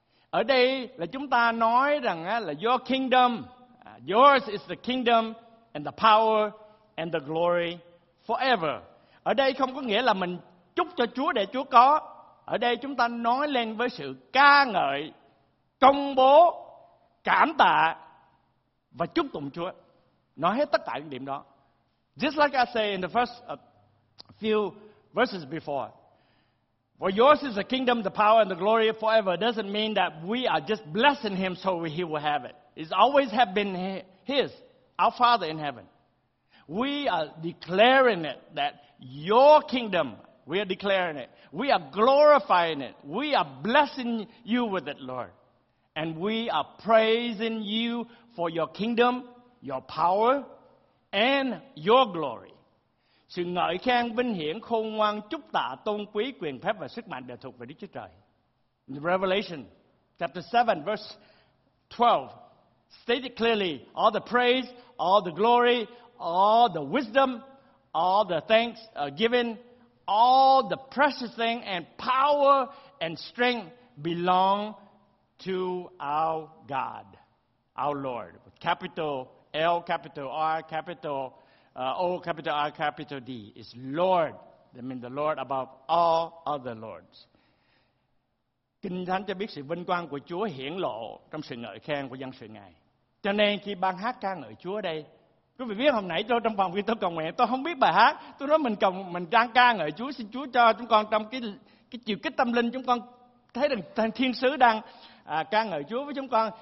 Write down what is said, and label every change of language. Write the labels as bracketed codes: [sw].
[vi] Ở đây là chúng ta nói rằng là [en] your kingdom, yours is the kingdom and the power and the glory forever. [vi] Ở đây không có nghĩa là mình chúc cho Chúa để Chúa có. Ở đây chúng ta nói lên với sự ca ngợi, công bố, cảm tạ và chúc tụng Chúa. Nói hết tất cả những điểm đó. [en] Just like I say in the first few verses before, for yours is the kingdom, the power, and the glory forever. Doesn't mean that we are just blessing him so he will have it. It's always have been his, our Father in heaven. We are declaring it, that your kingdom, we are declaring it. We are glorifying it. We are blessing you with it, Lord. And we are praising you for your kingdom, your power, and your glory. [vi] Sự ngợi khen, vinh hiển, khôn ngoan, chúc tạ, tôn quý, quyền phép và sức mạnh đều thuộc về Đức Chúa Trời. [en] In Revelation chapter 7 verse 12 stated clearly, all the praise, all the glory, all the wisdom, all the thanks are given, all the precious thing and power and strength belong to our God, our Lord. Capital L, capital R, capital O, capital R, capital D is Lord. That means the Lord above all other lords. [vi] Kinh Thánh cho biết sự vinh quang của Chúa hiển lộ trong sự ngợi khen của dân sự Ngài. Cho nên khi ban hát ca ngợi Chúa đây, quý vị biết hôm nãy tôi trong phòng khi tôi cầu nguyện, tôi không biết bài hát. Tôi nói mình đang ca ngợi Chúa, xin Chúa cho chúng con trong cái chiều kích tâm linh, chúng con thấy rằng thiên sứ đang ca ngợi Chúa với chúng con.